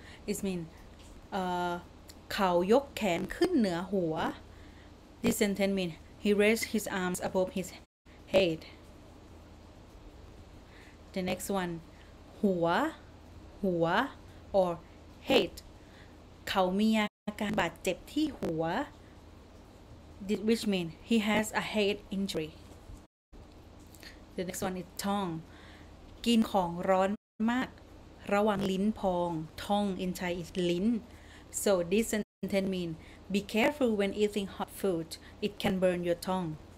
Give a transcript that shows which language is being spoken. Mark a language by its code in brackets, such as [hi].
[en] It means [th] เขายกแขนขึ้นเหนือหัว. [en] This sentence means he raised his arms above his head. The next one, หัว or head. [th] เขามีอาการบาดเจ็บที่หัว, [en] which means he has a head injury. The next one is tongue. [th] กินของร้อนมากระวังลิ้นพอง. [en] Tongue in Thai is lin. So this sentence means be careful when eating hot food, it can burn your tongue.